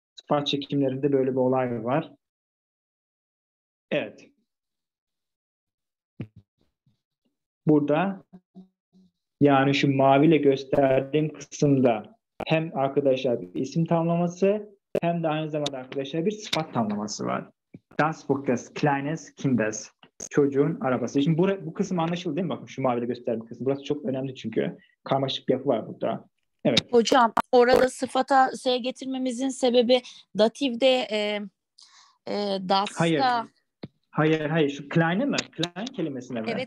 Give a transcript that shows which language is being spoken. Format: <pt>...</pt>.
<tr>Sıfat çekimlerinde böyle bir olay var. Evet. Burada yani şu maviyle gösterdiğim kısımda hem arkadaşlar bir isim tamlaması hem de aynı zamanda arkadaşlar bir sıfat tamlaması var.</tr> <de>Das Buch des kleines Kindes.</de> <tr>Çocuğun arabası. Şimdi bu kısım anlaşıldı değil mi? Bakın şu maviyle gösterdiğim kısım. Burası çok önemli çünkü. Karmaşık bir yapı var burada. Evet. Hocam orada sıfata S getirmemizin sebebi dativde das'ta. Hayır. Şu kleine mi? Klein kelimesine mi?</tr>